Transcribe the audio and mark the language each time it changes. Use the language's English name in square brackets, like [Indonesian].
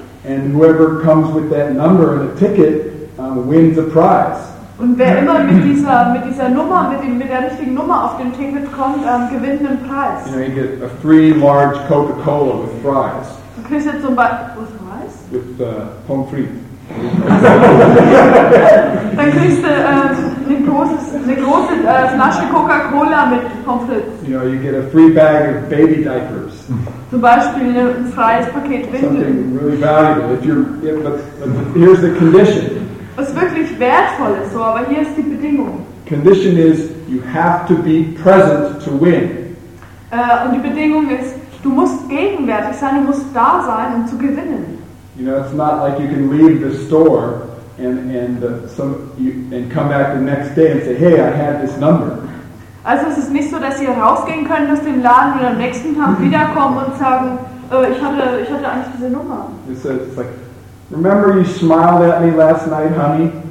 [English] And whoever comes with that number and a ticket wins a prize. [German] Und wer immer mit dieser Nummer, mit der richtigen Nummer auf dem Ticket kommt, gewinnt einen Preis. [English] You know, you get a free large Coca-Cola with fries. [German] Du kriegst jetzt zum Beispiel was? [English] With pommes frites. [German] Dann kriegst du eine große Flasche Coca-Cola mit Pommes frites. [English] You know, you get a free bag of baby diapers. [German] Zum Beispiel ein freies Paket Windeln. [English] Something really valuable. But here's the condition. [German] Was wirklich wertvoll ist, so, aber hier ist die Bedingung. [English] Condition is, you have to be present to win. [German] Und die Bedingung ist, du musst gegenwärtig sein, du musst da sein, um zu gewinnen. [English] You know, it's not like you can leave the store and come back the next day and say, hey, I had this number. [German] Also es ist nicht so, dass ihr rausgehen könnt aus dem Laden und am nächsten Tag wiederkommen und sagen, ich hatte eigentlich diese Nummer. [English] It's like, remember you smiled at me last night, honey?